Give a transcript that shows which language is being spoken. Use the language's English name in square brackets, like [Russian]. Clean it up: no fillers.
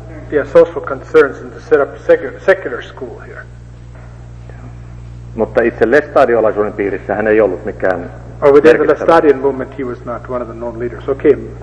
[English] their social concerns and to set up a secular school here. [Finnish] Mutta itse lestadiolaisuuden piirissä hän ei ollut mikään. [English] Or within the Lestadian movement, he was not one of the known leaders. Okay.